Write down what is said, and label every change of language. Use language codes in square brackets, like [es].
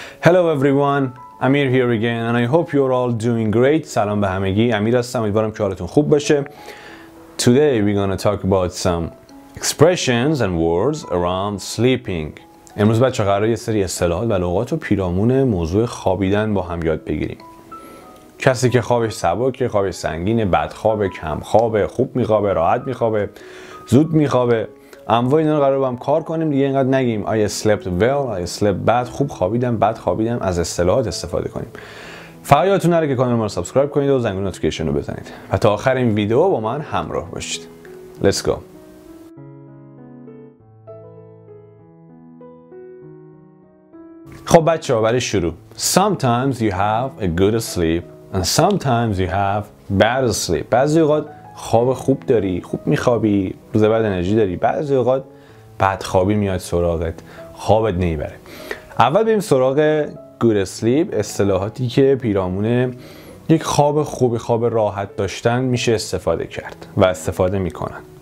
[en] Hello everyone, Amir here again and I hope you're all doing great. [fa] سلام به همگی، امیر هستم، امیدوارم که حالتون خوب باشه. [en] Today we're gonna talk about some expressions and words around sleeping. [fa] امروز بچه قراره یه سری اصطلاحات و لغات و پیرامون موضوع خوابیدن با هم یاد بگیریم. کسی که خوابش سبکه، خوابش سنگینه، بدخوابه، کمخوابه، خوب میخوابه، راحت میخوابه، زود میخوابه، اما اینا رو قرار با هم کار کنیم دیگه. اینقدر نگیم [en] I slept well، I slept bad، [fa] خوب خوابیدم، بد خوابیدم، از اصطلاحات استفاده کنیم. فقط یادتون نره که کانال ما رو سابسکرایب کنید و زنگ نوتیفیکیشن رو بزنید و تا آخر این ویدیو با من همراه باشید. [en] Let's go. [fa] خب بچه ها، برای شروع، [en] Sometimes you have a good sleep and sometimes you have bad sleep. [fa] بعضی اوقات خواب خوب داری، خوب میخوابی، روز بعد انرژی داری، بعضی اوقات بعد خوابی میاد سراغت، خوابت نمیبره. اول بریم سراغ good sleep، اصطلاحاتی که پیرامون یک خواب خوبی، خواب راحت داشتن میشه استفاده کرد و استفاده میکنن.